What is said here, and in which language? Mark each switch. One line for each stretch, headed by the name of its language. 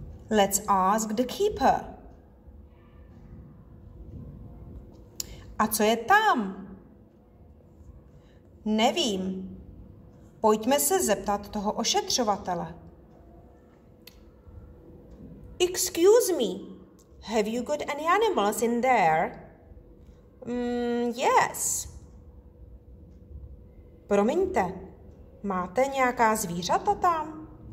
English: Let's ask the keeper.
Czech: A co je tam? Nevím. Pojďme se zeptat toho ošetřovatele.
English: Excuse me. Have you got any animals in there? Yes.
Czech: Promiňte, máte nějaká zvířata tam?